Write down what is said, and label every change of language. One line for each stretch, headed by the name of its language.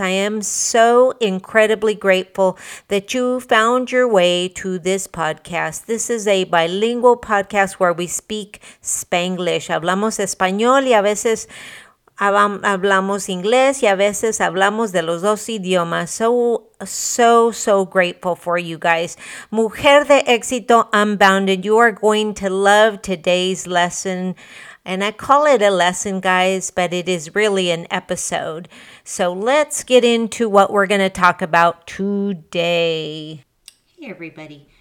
English: I am so incredibly grateful that you found your way to this podcast. This is a bilingual podcast where we speak Spanglish.
Spanish: Hablamos español y a veces hablamos inglés y a veces hablamos de los dos idiomas.
English: So grateful for you guys. Mujer de Éxito Unbounded, you are going to love today's lesson. And I call it a lesson, guys, but it is really an episode. So let's get into what we're going to talk about today. Hey, everybody.